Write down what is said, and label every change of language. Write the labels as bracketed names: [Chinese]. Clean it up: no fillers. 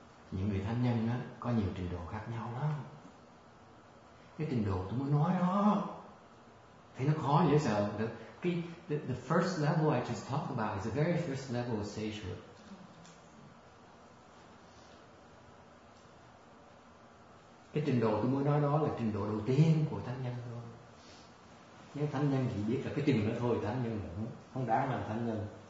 [Vietnamese] Những người thánh nhân có nhiều trình độ khác nhau lắm. Cái trình độ tôi mới nói đó. Thấy nó khó dễ sợ. [English] The first level I just talked about is the very first level of sagehood. [Vietnamese] Cái trình độ tôi mới nói đó là trình độ đầu tiên của thánh nhân thôi. Nếu thánh nhân chỉ biết là cái trình đó thôi, thánh nhân không đáng làm thánh nhân.